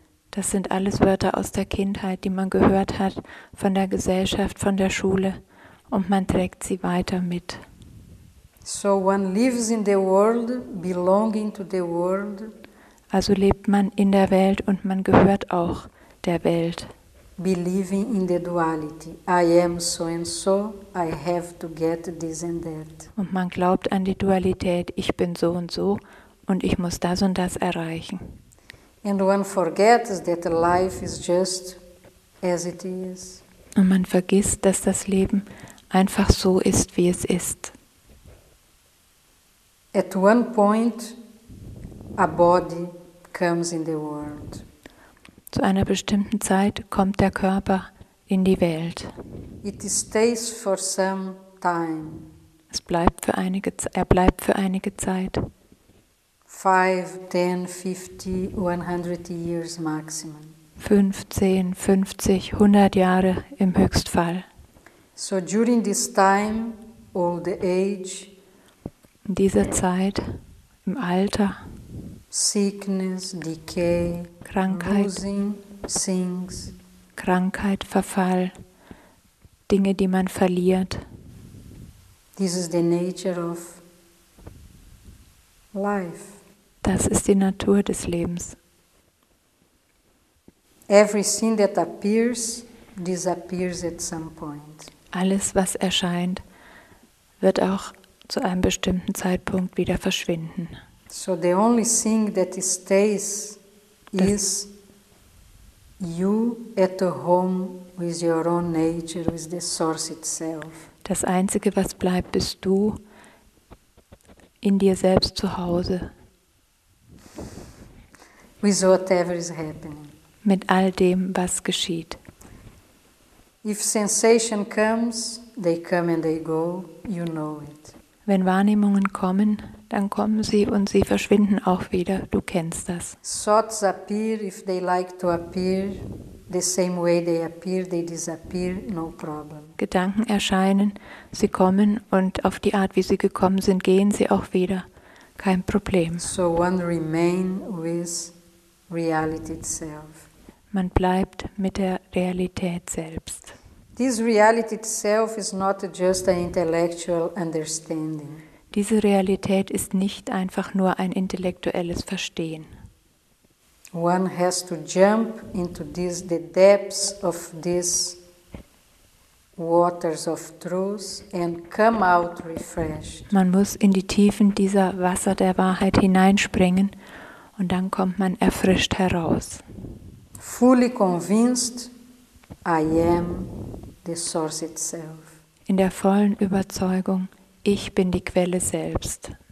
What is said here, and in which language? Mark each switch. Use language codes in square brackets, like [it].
[de] Das sind alles Wörter aus der Kindheit, die man gehört hat von der Gesellschaft, von der Schule, und man trägt sie weiter mit. [en] So one lives in the world, belonging to the world. [de] Also lebt man in der Welt und man gehört auch der Welt. [en] Believing in the duality. I am so and so, I have to get this and that. [de] Und man glaubt an die Dualität, ich bin so und so und ich muss das und das erreichen. [en] And one forgets that life is just as it is. [de] Und man vergisst, dass das Leben einfach so ist, wie es ist. [en] At one point, a body comes in the world. [de] Zu einer bestimmten Zeit kommt der Körper in die Welt. [en] It stays for some time. [de] Er bleibt für einige Zeit. [en] 5, 10, 50, 100 years maximum. [de] 15, 50, 100 Jahre im Höchstfall. [en] So during this time, old age, [de] in dieser Zeit, im Alter, [en] sickness, decay, [de] Krankheit, [en] losing things, [de] Krankheit, Verfall, Dinge, die man verliert. [en] This is the nature of life. [de] Das ist die Natur des Lebens. [en] Everything that appears disappears at some point. [de] Alles, was erscheint, wird auch zu einem bestimmten Zeitpunkt wieder verschwinden. [en] So the only thing that stays is you at home with your own nature, with the source itself. [de] Das Einzige, was bleibt, bist du in dir selbst zu Hause. [en] With whatever is happening. [de] Mit all dem, was geschieht. [en] If sensation comes, they come and they go, you know it. [de] Wenn Wahrnehmungen kommen, dann kommen sie und sie verschwinden auch wieder. Du kennst das. [en] Thoughts appear if they like to appear the same way they appear, they disappear, no problem. [de] Gedanken erscheinen, sie kommen und auf die Art, wie sie gekommen sind, gehen sie auch wieder. Kein Problem. [en] So one remain with reality itself. [de] Man bleibt mit der Realität selbst. [en] This reality itself is not just an intellectual understanding. [de] Diese Realität ist nicht einfach nur ein intellektuelles Verstehen. [en] One has to jump into this, the depths of these waters of truth and come out refreshed. [de] Man muss in die Tiefen dieser Wasser der Wahrheit hineinspringen und dann kommt man erfrischt heraus. [en] Fully convinced, I am the source itself. [de] In der vollen Überzeugung, ich bin die Quelle selbst.